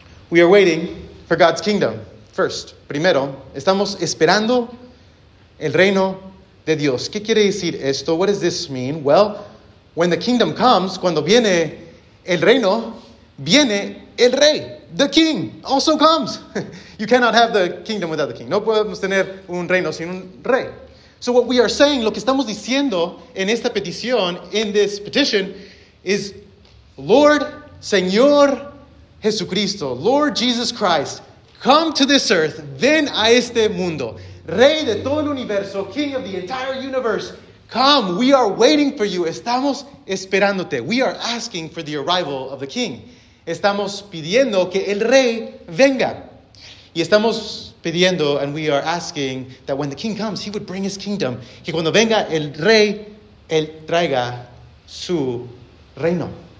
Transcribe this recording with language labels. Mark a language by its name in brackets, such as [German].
[English] We are waiting for God's kingdom. First, [Spanish] primero, estamos esperando el reino de Dios. ¿Qué quiere decir esto? [English] What does this mean? Well, when the kingdom comes, [Spanish] cuando viene el reino, viene el rey. [English] The king also comes. You cannot have the kingdom without the king. [Spanish] No podemos tener un reino sin un rey. [English] So what we are saying, [Spanish] lo que estamos diciendo en esta petición, [English] in this petition, is Lord, [Spanish] Señor Jesucristo, [English] Lord Jesus Christ, come to this earth, [Spanish] ven a este mundo. Rey de todo el universo, [English] King of the entire universe, come, we are waiting for you, [Spanish] estamos esperándote. [English] We are asking for the arrival of the King. [Spanish] Estamos pidiendo que el Rey venga. Y estamos pidiendo, [English] and we are asking, that when the King comes, he would bring his kingdom. [Spanish] Que cuando venga el Rey, él traiga su reino.